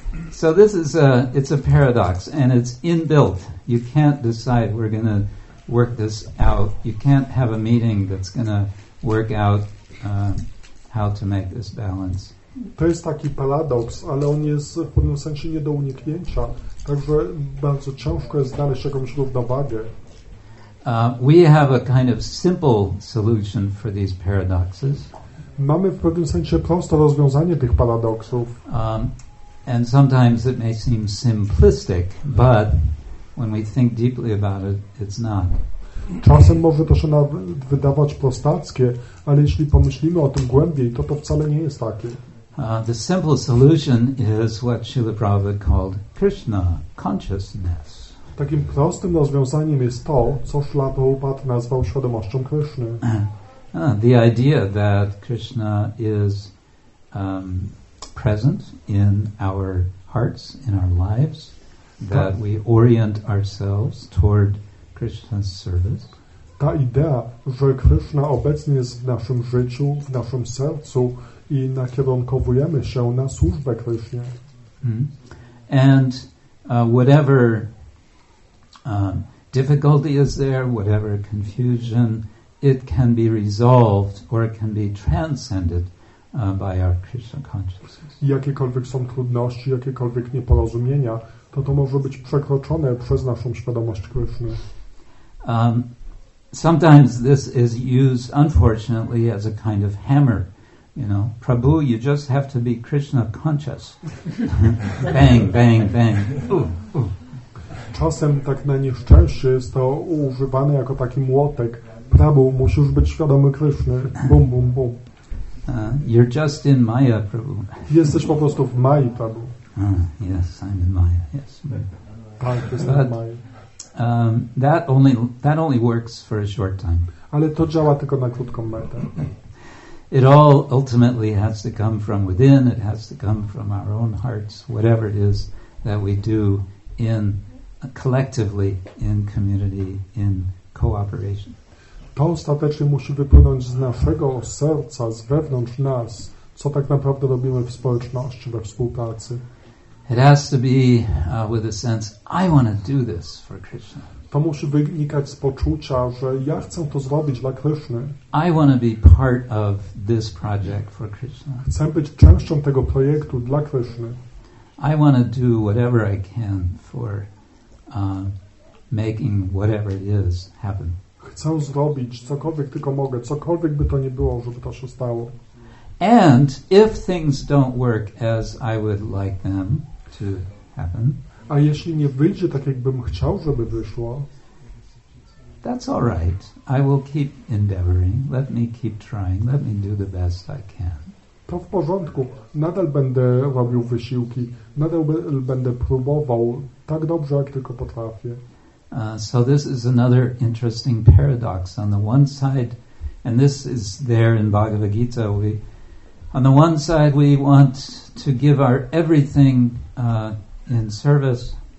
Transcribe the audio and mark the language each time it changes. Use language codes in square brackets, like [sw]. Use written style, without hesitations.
[en] So this is it's a paradox and it's inbuilt. You can't decide we're going to work this out. You can't have a meeting that's going to work out how to make this balance. [pl] To jest taki paradoks, ale on jest w pewnym sensie nie do uniknięcia. Także bardzo ciężko jest znaleźć jakąś równowagę. [en] We have a kind of simple solution for these paradoxes. [pl] Mamy w pewnym sensie proste rozwiązanie tych paradoksów. [en] And sometimes it may seem simplistic, but when we think deeply about it, it's not. [pl] Czasem może to się nawet wydawać prostackie, ale jeśli pomyślimy o tym głębiej, to wcale nie jest takie. [en] The simple solution is what Śrīla Prabhupāda called Krishna consciousness. [pl] Takim prostym rozwiązaniem jest to, co Śrīla Prabhupāda nazwał świadomością Krishny. [en] The idea that Krishna is present in our hearts, in our lives, that we orient ourselves toward Krishna's service. [pl] Ta idea, że Krishna obecny jest w naszym życiu, w naszym sercu i nakierunkowujemy się na służbę Krishnie. [en] And whatever difficulty is there, whatever confusion, it can be resolved or it can be transcended by our Krishna consciousness. [pl] Jakiekolwiek są trudności, jakiekolwiek nieporozumienia, to może być przekroczone przez naszą świadomość Krishny. [en] Sometimes this is used, unfortunately, as a kind of hammer. You know, Prabhu, you just have to be Krishna conscious. Bang, bang, bang. Ooh, ooh. [pl] czasem tak na nieszczęście jest to używane jako taki młotek. Prabhu, musisz być świadomy Kryszny. Bum, bum, bum. [en] You're just in Maya, Prabhu. [pl] Jesteś po prostu w Maji, Prabhu. [en] Yes, I'm in Maya. Yes. [pl] Tak, jestem w Maji. [en] That only works for a short time. [pl] Ale to działa tylko na krótką metę. [en] It all ultimately has to come from within. It has to come from our own hearts. Whatever it is that we do in collectively, in community, in cooperation. [pl] To ostatecznie musi wypłynąć z naszego serca, z wewnątrz nas, co tak naprawdę robimy w społeczności, we współpracy. [en] It has to be with a sense, I want to do this for Krishna. [pl] To musi wynikać z poczucia, że ja chcę to zrobić dla Kryszny. [en] I want to be part of this project for Krishna. [pl] Chcę być częścią tego projektu dla Kryszny. [en] I want to do whatever I can for making whatever it is happen. [pl] Chcę zrobić cokolwiek tylko mogę, cokolwiek by to nie było, żeby to się stało. [en] And if things don't work as I would like them to happen, [pl] a jeśli nie wyjdzie tak, jakbym chciał, żeby wyszło, [en] that's all right. I will keep endeavoring. Let me keep trying. Let me do the best I can. [pl] To w porządku. Nadal będę robił wysiłki. Nadal będę próbował tak dobrze, jak tylko potrafię. [en] So this is another interesting paradox. On the one side, and this is there in Bhagavad Gita, we, on the one side, we want to give our everything in service.